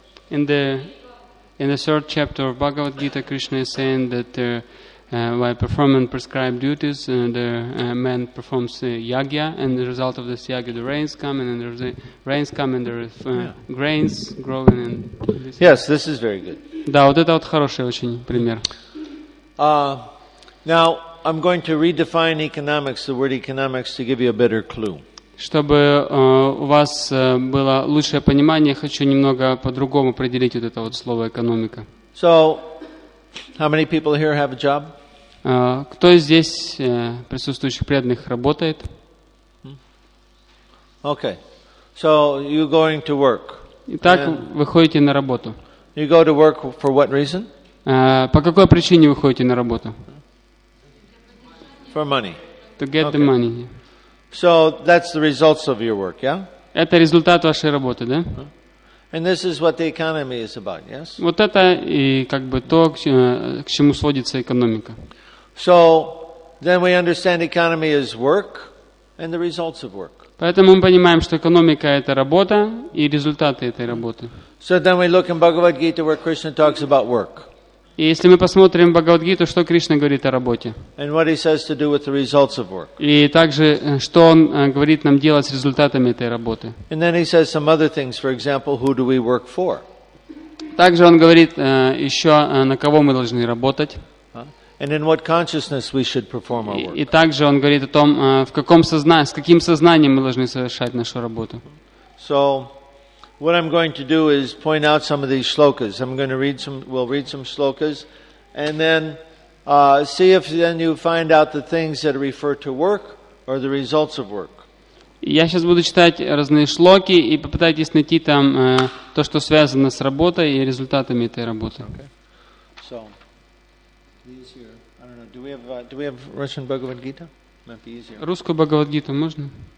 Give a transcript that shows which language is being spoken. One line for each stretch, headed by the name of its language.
English: In the third chapter of Bhagavad Gita, Krishna is saying that by performing prescribed duties, man performs yagya, and the result of this yagya, the rains come, and there's grains growing. And this. Yes, this is very good.
Russian: Да, вот это вот хороший очень пример.
English: Now I'm going to redefine economics, the word economics, to give you a better clue.
Russian: Чтобы у вас было лучшее понимание, хочу немного по-другому определить вот это вот слово экономика.
English: So, how many people here have a job?
Russian: Кто здесь присутствующих преданных работает?
English: Okay. So, you're going to work.
Russian: Итак, вы ходите на работу.
English: You go to work for what reason?
Russian: По какой причине вы ходите на работу?
English: For money. To get the money. So that's the results of your work, yeah?
Russian: Это результат вашей работы, да?
English: And this is what the economy is about, yes?
Russian: Вот это и как бы то, к чему сводится экономика.
English: So then we understand economy is work and the results of work.
Russian: Поэтому мы понимаем, что экономика это работа и результаты этой работы.
English: So then we look in Bhagavad Gita where Krishna talks about work.
Russian: И если мы посмотрим Бхагавад Гиту, что Кришна говорит о работе?
English: And what he says to do with the results of work.
Russian: И также, что он говорит нам делать с результатами этой работы?
English: And then he says some other things, for example, who do we work for?
Russian: Также он говорит еще, на кого мы должны работать.
English: And in what consciousness we should perform our work.
Russian: И также он говорит о том, в каком сознании, с каким сознанием мы должны совершать нашу работу.
English: So, what I'm going to do is point out some of these shlokas. I'm going to read some. We'll read some shlokas, and then see if then you find out the things that refer to work or the results of work.
Russian: Я сейчас буду читать разные шлоки и попытайтесь найти там то, что связано с работой и результатами этой работы.
English: Okay. So these here. I don't know. Do we have Russian Bhagavad Gita? Might be easier.
Russian: Русскую Бхагавад Гиту можно?